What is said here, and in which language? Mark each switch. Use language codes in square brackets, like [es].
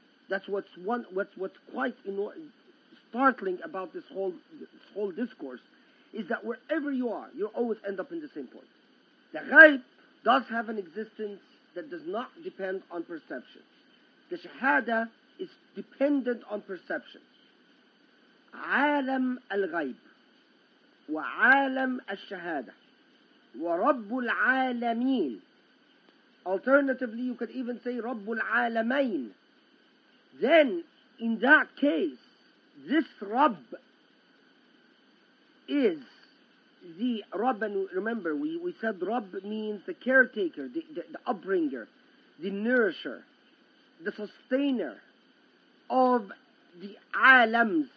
[en] That's what's quite startling about this whole discourse, is that wherever you are, you always end up in the same point. The ghaib does have an existence that does not depend on perception. The shahada is dependent on perception. [ar] عالم الغيب وعالم الشهادة ورب العالمين. [en] Alternatively, you could even say [ar] رب العالمين. [en] Then, in that case, this رب is the Rabb, and remember, we said Rabb means the caretaker, the upbringer, the nourisher, the sustainer of the alams.